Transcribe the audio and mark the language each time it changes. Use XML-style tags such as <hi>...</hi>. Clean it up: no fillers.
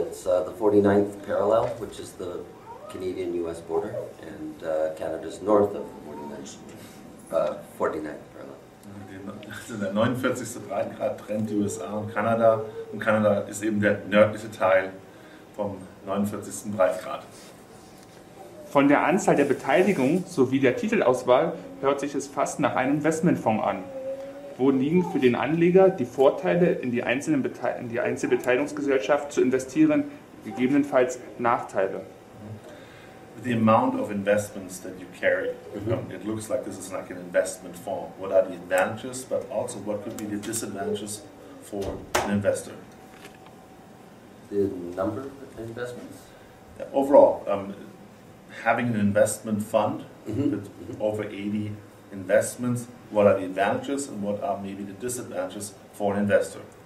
<en>It's the 49th parallel, which is the Canadian-US border, and Canada's north of the 49th parallel.</en> <de>Also der 49. Breitengrad trennt die USA und Kanada, und Kanada ist eben der nördliche Teil vom 49. Breitengrad. Von der Anzahl der Beteiligung sowie der Titelauswahl hört sich es fast nach einem Investmentfonds an. Wo liegen für den Anleger die Vorteile, in die Einzelbeteiligungsgesellschaft zu investieren, gegebenenfalls Nachteile?</de> <en>The amount of investments that you carry, it looks like this is like an investment fund. What are the advantages, but also what could be the disadvantages for an investor? The number of investments? Overall, having an investment fund with over 80 investments, what are the advantages and what are maybe the disadvantages for an investor?</en>